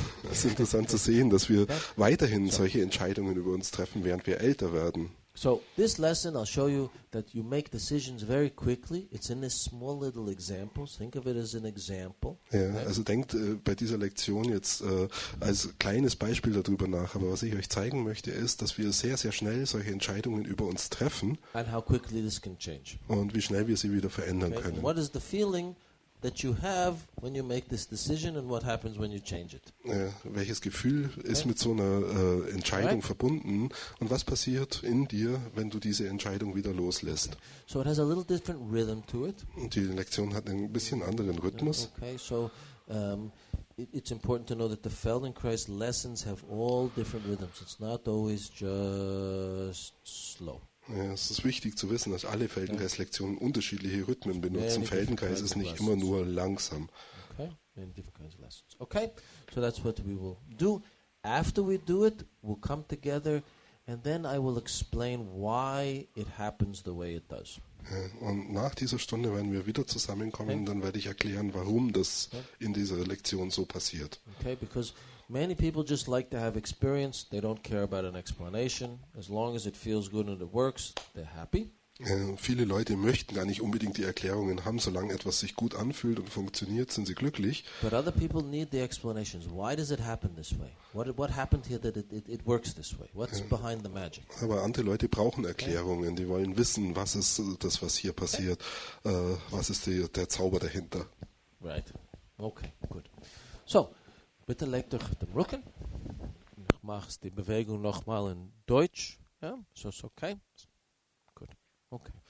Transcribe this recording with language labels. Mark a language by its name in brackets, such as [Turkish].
[German] Es ist interessant zu sehen, dass wir weiterhin solche Entscheidungen über uns treffen, während wir älter werden. [English] So, this lesson, I'll show you that you make decisions very quickly. It's in this small little example. Think of it as an example. [German] Ja, also denkt bei dieser Lektion jetzt als kleines Beispiel darüber nach. Aber was ich euch zeigen möchte, ist, dass wir sehr, sehr schnell solche Entscheidungen über uns treffen. [English] And how quickly this can change. [German] Und wie schnell wir sie wieder verändern okay. können. [English] What is the feeling that you have when you make this decision and what happens when you change it. [German] Ja, welches Gefühl ist mit so einer Entscheidung right? verbunden und was passiert in dir, wenn du diese Entscheidung wieder loslässt? [English] So it has a little different rhythm to it. [German] Und die Lektion hat einen bisschen anderen Rhythmus. [English] Okay, so it's important to know that the Feldenkrais lessons have all different rhythms. It's not always just slow. [German] Ja, es ist wichtig zu wissen, dass alle Feldenkreis-Lektionen unterschiedliche Rhythmen benutzen. Feldenkreis ist nicht immer nur langsam. [English] Okay, many different kinds of lessons. Okay, so that's what we will do. After we do it, we'll come together and then I will explain why it happens the way it does. [German] Ja, und nach dieser Stunde werden wir wieder zusammenkommen und dann werde ich erklären, warum das in dieser Lektion so passiert. [English] Okay, because many people just like to have experience. They don't care about an explanation. As long as it feels good and it works, they're happy. Viele Leute möchten gar nicht unbedingt die Erklärungen haben. Solange etwas sich gut anfühlt und funktioniert, sind sie glücklich. But other people need the explanations. Why does it happen this way? What happened here that it works this way? What's behind the magic? [German] Aber andere Leute brauchen Erklärungen. Okay. Die wollen wissen, was ist das, was hier passiert? Okay. Was ist der Zauber dahinter? Right. Okay, good. So, bitte legt euch den Rücken. Ich mache die Bewegung nochmal in Deutsch. Ja, so ist okay. Gut. Okay.